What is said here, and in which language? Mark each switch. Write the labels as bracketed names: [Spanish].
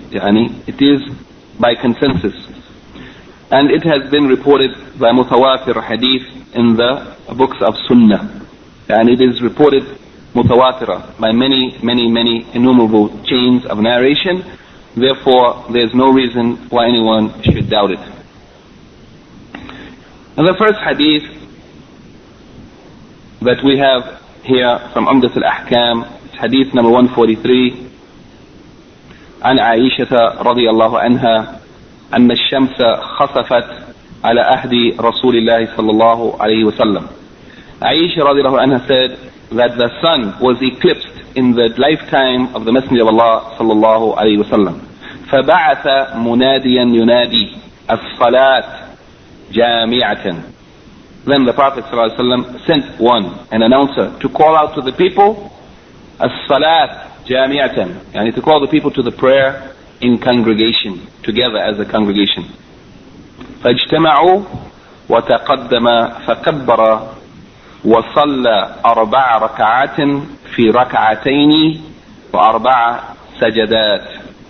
[English] Yani it is by consensus. And it has been reported by mutawatir hadith in the books of Sunnah. And it is reported mutawatira by many, many, many innumerable chains of narration. Therefore, there is no reason why anyone should doubt it. And the first hadith that we have here from Umdat al-Ahkam, it's hadith number 143, [Arabic] عن عائشة رضي الله عنها أن الشمس خصفت على أهد رسول الله صلى الله عليه وسلم. [English] عائشة رضي الله عنها said that the sun was eclipsed in the lifetime of the Messenger of Allah صلى الله عليه وسلم. [Arabic] فبعث مناديا ينادي الصلاة جامعة. [English] Then the Prophet ﷺ sent one, an announcer, to call out to the people, As-salat jami'atan, yani to call the people to the prayer in congregation, together as a congregation. [Arabic] فَاجْتَمَعُوا وَتَقَدَّمَ فَكَبَّرَ وَصَلَّ أَرْبَعَ رَكَعَاتٍ فِي رَكَعَتَيْنِ وَأَرْبَعَ سَجَدَاتٍ.